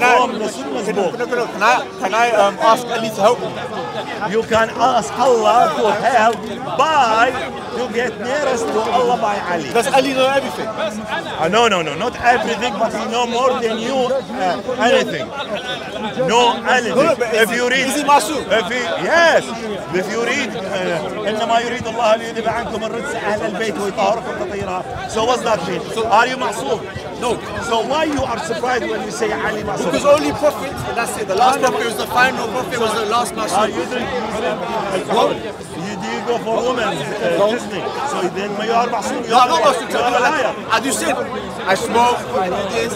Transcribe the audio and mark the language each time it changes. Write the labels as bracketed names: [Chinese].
[English] can I ask Ali to help me? You can ask Allah to help by to get nearest to Allah by Ali. Does Ali know everything? No, not everything, but he know more than you anything. No, Ali. If you read, is he Masoud? Yes. If you read, [Arabic] إنما يريد الله أن يذهب عنكم الرجس أهل البيت ويطهركم تطهيرا. [English] So what's that mean? So are you Masoud? No. So why you are surprised when you say Ali Masoud? Because only Prophet, that's it. The last Prophet was the final Prophet, was the last Masoud. Are you drinking? Go for women, so then you are Masoud. No, I'm not Masoud. As you said, I smoke, I do this.